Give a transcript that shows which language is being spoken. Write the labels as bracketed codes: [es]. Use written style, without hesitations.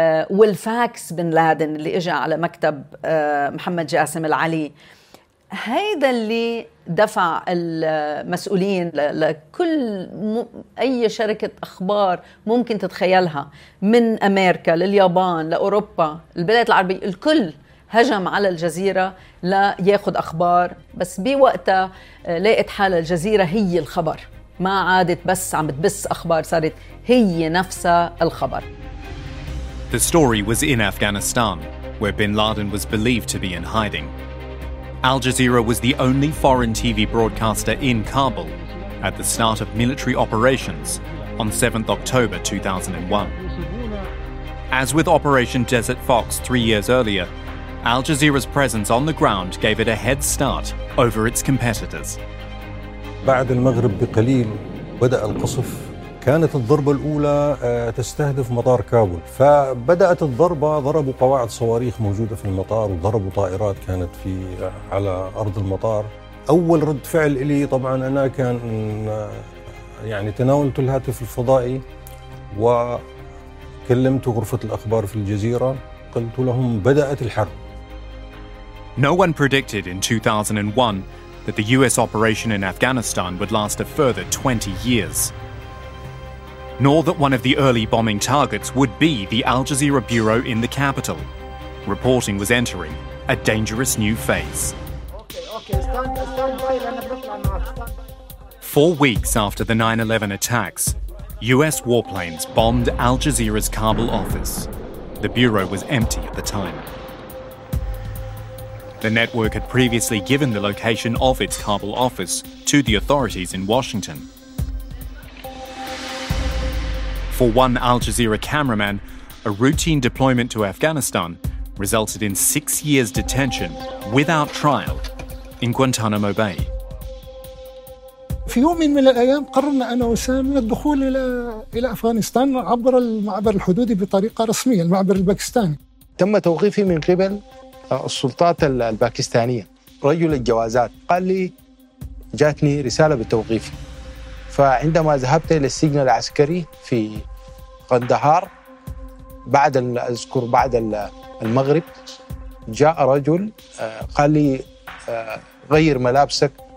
[ar] والفاكس بن لادن اللي إجا على مكتب محمد جاسم العلي هيدا اللي دفع المسؤولين لكل أي شركة أخبار ممكن تتخيلها من أمريكا لليابان لأوروبا البلاد العربية الكل هجم على الجزيرة لا ياخد أخبار بس بوقتها لقيت حال الجزيرة هي الخبر ما عادت بس عم تبث أخبار صارت هي نفسها الخبر. [en] The story was in Afghanistan where bin Laden was believed to be in hiding. Al Jazeera was the only foreign TV broadcaster in Kabul at the start of military operations on 7th October 2001. As with Operation Desert Fox 3 years earlier, Al Jazeera's presence on the ground gave it a head start over its competitors. [ar] بعد المغرب بقليل بدأ القصف. كانت الضربة الأولى تستهدف مطار كابول. فبدأت الضربة ضربوا قواعد صواريخ موجودة في المطار وضربوا طائرات كانت في على أرض المطار. أول رد فعل إلي طبعاً أنا كان يعني تناولت الهاتف الفضائي وكلمت غرفة الأخبار في الجزيرة. قلت لهم بدأت الحرب. [en] No one predicted in 2001 that the US operation in Afghanistan would last a further 20 years. Nor that one of the early bombing targets would be the Al Jazeera bureau in the capital. Reporting was entering a dangerous new phase. Four weeks after the 9/11 attacks, US warplanes bombed Al Jazeera's Kabul office. The bureau was empty at the time. The network had previously given the location of its Kabul office to the authorities in Washington. For one Al Jazeera cameraman, a routine deployment to Afghanistan resulted in 6 years detention without trial in Guantanamo Bay. [ar] في يوم من الأيام قررنا أنا وسام الدخول إلى أفغانستان عبر المعبر الحدودي بطريقة رسمية المعبر الباكستاني. تم توقيفي من قبل السلطات الباكستانية رجل الجوازات قال لي جاتني رسالة بالتوقيف فعندما ذهبت إلى السجن العسكري في قندهار بعد أذكر بعد المغرب جاء رجل قال لي غير ملابسك